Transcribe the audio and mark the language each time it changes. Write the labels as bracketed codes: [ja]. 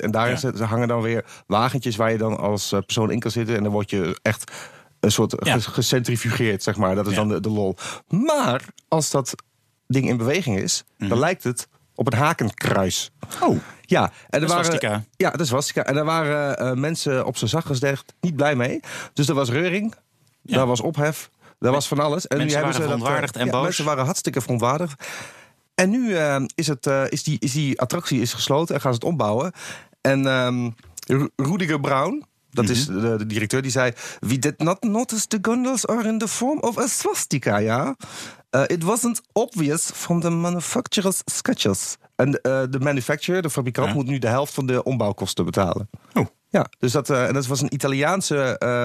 [nl] En daar hangen dan weer wagentjes. Waar je dan als persoon in kan zitten. En dan word je echt een soort gecentrifugeerd, zeg maar. Dat is dan de lol. Maar als dat ding in beweging is. Mm-hmm. Dan lijkt het op een hakenkruis. Oh. Ja, en er waren, swastika. Ja, dat is swastika. En daar waren mensen op zijn zachtjes dicht niet blij mee. Dus er was reuring, daar was ophef, daar was van alles. En mensen waren verontwaardigd en boos. Mensen waren hartstikke verontwaardigd. En nu is die attractie is gesloten en gaan ze het opbouwen. En Rudiger Braun, dat is de directeur, die zei... [en] We did not notice the gondels are in the form of a swastika, it wasn't obvious from the manufacturer's sketches. [nl] En de manufacturer, de fabrikant, moet nu de helft van de ombouwkosten betalen. Oh. Ja, dus dat was een Italiaanse.